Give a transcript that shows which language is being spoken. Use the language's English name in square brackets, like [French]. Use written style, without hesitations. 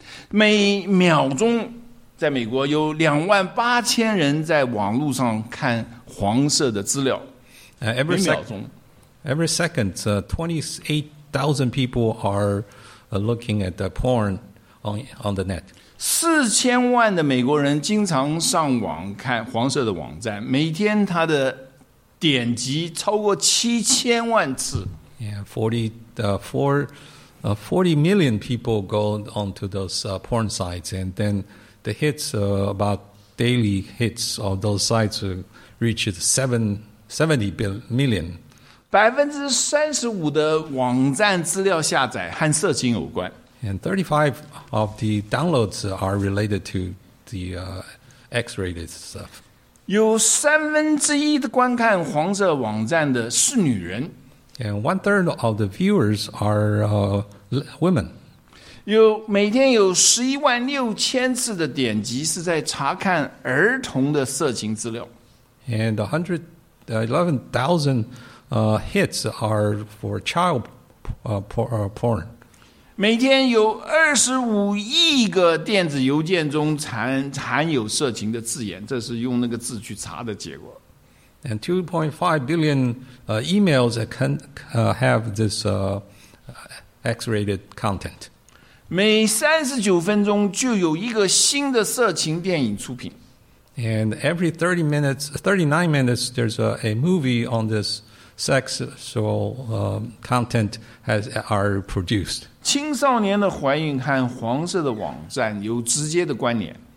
[Chinese] 每秒钟，在美国有28,000人在网络上看黄色的资料。 [English] Every second. Every second, 28,000 people are looking at the porn. On the net, [Chinese] 4,000,000的美国人经常上网看黄色的网站，每天他的点击超过7,000,000次。 [English] 40 million people go onto those porn sites, and then the hits about daily hits of those sites reaches 70 million. [Chinese] 35% 的网站资料下载和色情有关。 [English] And 35 of the downloads are related to the X-rated stuff. [Chinese] 有三分之一的观看黄色网站的是女人。 [English] And 1/3 of the viewers are women. [Chinese] 有每天有116,000次的点击是在查看儿童的色情资料。 [English] And 111,000 hits are for child porn. [Chinese] 每天有25亿个电子邮件中含有色情的字眼，这是用那个字去查的结果。 [English] And 2.5 billion emails that can have this X-rated content. [Chinese] 每39分钟就有一个新的色情电影出品。 [English] And every 39 minutes, there's a movie on this sexual content are produced. [Chinese] 青少年的怀孕和黄色的网站有直接的关联。